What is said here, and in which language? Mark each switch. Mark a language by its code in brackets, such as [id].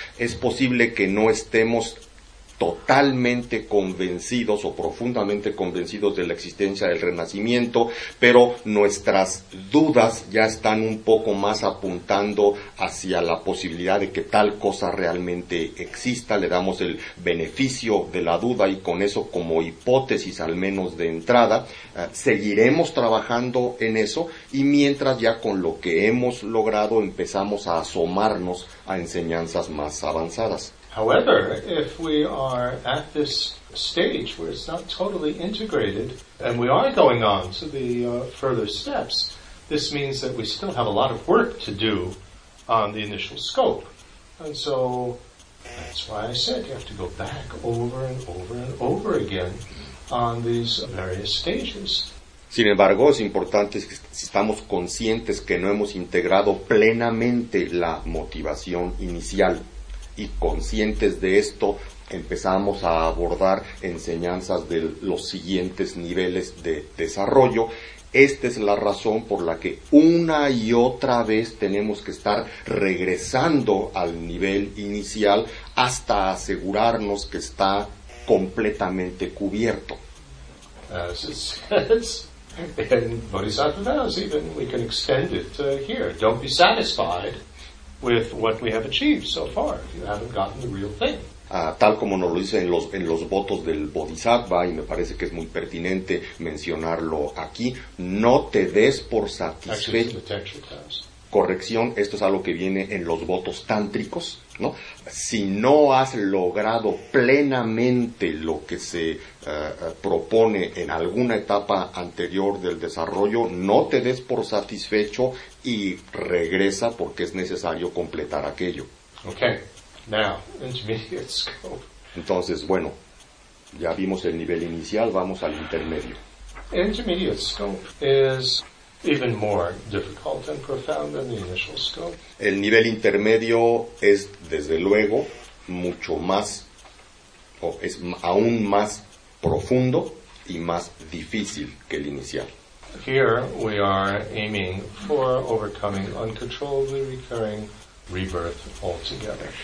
[es] Es posible que no estemos totalmente convencidos o profundamente convencidos de la existencia del renacimiento, pero nuestras dudas ya están un poco más apuntando hacia la posibilidad de que tal cosa realmente exista. Le damos el beneficio de la duda y con eso, como hipótesis al menos de entrada, seguiremos trabajando en eso, y mientras ya con lo que hemos logrado empezamos a asomarnos a enseñanzas más avanzadas. [en] However, if we are at this stage where it's not totally integrated, and we are going on to the further steps, this means that we still have a lot of work to do on the initial scope. And so that's why I said you have to go back over and over and over again on these various stages. [es] Sin embargo, es importante que estamos conscientes que no hemos integrado plenamente la motivación inicial. Y conscientes de esto, empezamos a abordar enseñanzas de los siguientes niveles de desarrollo. Esta es la razón por la que una y otra vez tenemos que estar regresando al nivel inicial hasta asegurarnos que está completamente cubierto. [en] As it says in Bodhisattva vows, even we can extend it here. Don't be satisfied with what we have achieved so far, if you haven't gotten the real thing. [es] Tal como nos lo dice en los votos del Bodhisattva, y me parece que es muy pertinente mencionarlo aquí, no te des por satisfecho. Corrección, esto es algo que viene en los votos tántricos, ¿no? Si no has logrado plenamente lo que se propone en alguna etapa anterior del desarrollo, no te des por satisfecho y regresa, porque es necesario completar aquello. [en] Okay. Now, intermediate scope. [es] Entonces, bueno, ya vimos el nivel inicial, vamos al intermedio. [en] Intermediate scope is even more difficult and profound than the initial scope. [es] El nivel intermedio es, desde luego, mucho más, o es aún más profundo y más difícil que el inicial. [en] Here we are aiming for overcoming uncontrollably recurring rebirth altogether.